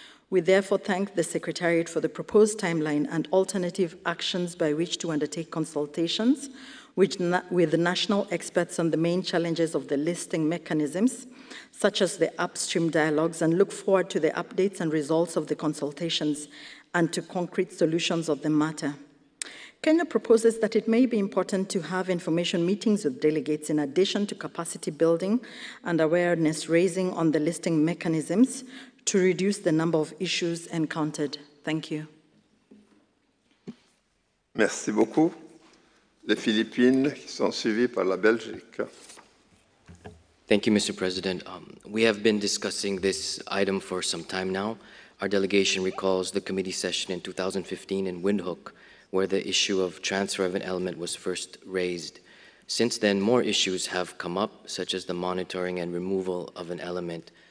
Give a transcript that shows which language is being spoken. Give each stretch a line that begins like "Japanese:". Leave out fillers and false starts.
English: We therefore thank the Secretariat for the proposed timeline and alternative actions by which to undertake consultations with national experts on the main challenges of the listing mechanisms, such as the upstream dialogues, and look forward to the updates and results of the consultations and to concrete solutions of the matter. Kenya proposes that it may be important to have information meetings with delegates in addition to capacity building and awareness raising on the listing mechanisms to reduce the number of issues encountered. Thank you.
French: Merci beaucoup. Les Philippines qui sont suivies par la Belgique.
English: Thank you, Mr. President. We have been discussing this item for some time now. Our delegation recalls the committee session in 2015 in Windhoek, where the issue of transfer of an element was first raised. Since then, more issues have come up, such as the monitoring and removal of an element.